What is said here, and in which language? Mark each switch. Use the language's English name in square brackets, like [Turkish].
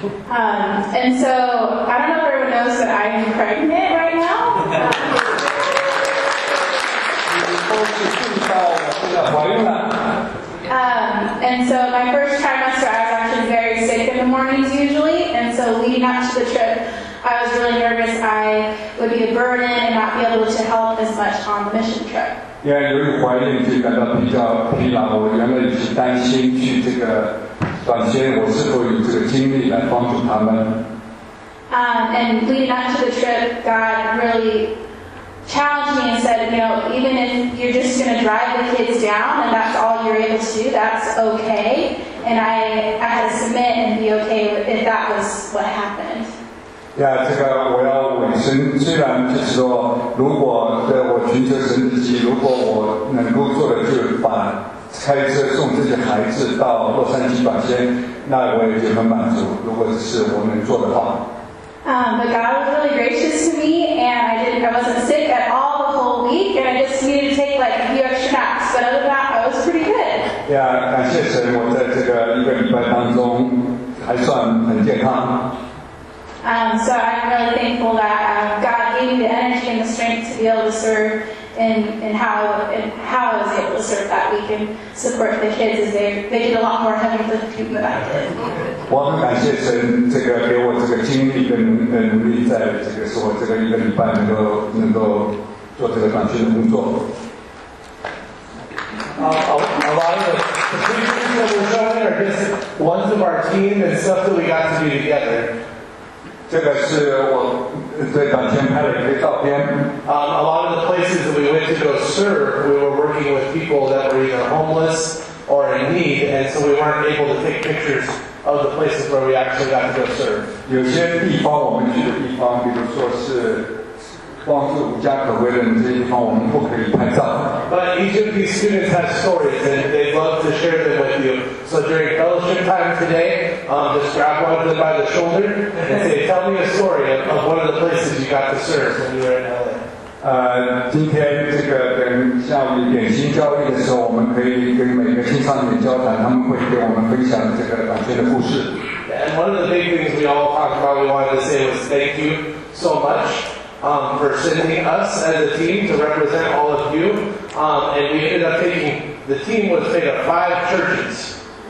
[English] And so I don't know if everyone knows that I'm pregnant right now. And so my first trimester, I was actually very sick in the mornings usually, and so leading up to the trip, I was really nervous I would be a burden and not be able to help as much on the mission trip. [Chinese] Yeah, 由于怀孕就感到比较疲劳，我原本是担心去这个短宣，我是否有这个精力来帮助他们。 [English] And leading up to the trip, God really. Challenged me and said, you know, even if you're just going to drive the kids down and that's all you're able to do, that's okay. And I had to submit and be okay with it. That was what happened. [Chinese] Yeah, 这个我要委身，虽然就是说，如果在我寻求神的旨意，如果我能够做的就把开车送这些孩子到洛杉矶短宣，那我也就很满足。如果是我能做的话。 [English] But God was really gracious to me, and I wasn't sick at all the whole week, and I just needed to take like a few extra naps. But other than that, I was pretty good. [Chinese] Yeah, 感谢神，我在这个一个礼拜当中还算很健康。 [English] So I'm really thankful that God gave me the energy and the strength to be able to serve in how I was able to serve that week and support the kids as they did a lot more heavy lifting than I did. [Chinese] 我很感谢神给我这个经历跟努力在这个一个礼拜能够做这个短期的工作。 [English] A lot of the pictures that were shown are just ones of our team and stuff that we got to do together. [Chinese] 这个是我在当天拍的一些照片。 [English] A lot of the places that we went to go serve, we were working with people that were either homeless or in need, and so we weren't able to take pictures of the places where we actually got to go serve. [Chinese] 有些地方我们去的地方，比如说是。帮助无家可归的这些地方，我们不可以拍照。 [English] But each of these students has stories, and they'd love to share them with you. So during fellowship time today, just grab one of them by the shoulder and say, "Tell me a story of one of the places you got to serve when you were in LA." [Chinese] 今天这个等下午一点新教育的时候，我们可以跟每个青少年交谈，他们会给我们分享这个短片的故事。 [English] And one of the big things we all talked about, we wanted to say, was thank you so much. For sending us as a team to represent all of you, and we ended up taking the team was made of 5 churches.